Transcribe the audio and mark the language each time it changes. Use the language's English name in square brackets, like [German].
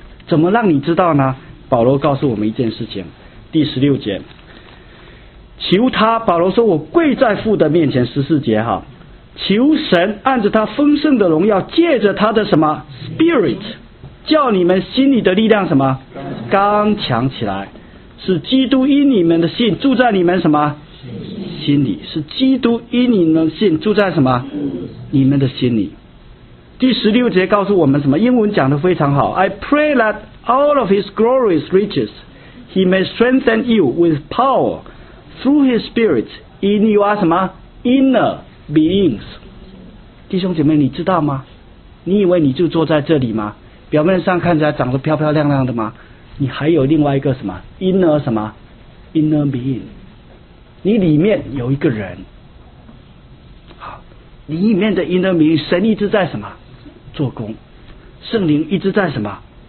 [Chinese] 怎么让你知道呢？保罗告诉我们一件事情，第16节，求他，保罗说，我跪在父的面前，14节哈，求神按着他丰盛的荣耀，借着他的什么 spirit， 叫你们心里的力量什么刚强起来，使基督因你们的信住在你们什么心里，是基督因你们的信住在什么你们的心里。第16节告诉我们什么？英文讲得非常好， [English] I pray that all of his glorious riches he may strengthen you with power through his spirit in your [Chinese] 什么 [English] inner beings。 [Chinese] 弟兄姐妹，你知道吗？你以为你就坐在这里吗？表面上看起来长得漂漂亮亮的吗？你还有另外一个什么 inner 什么 inner being，你里面有一个人。好，你里面的 inner being， 神一直在什么做工，圣灵一直在什么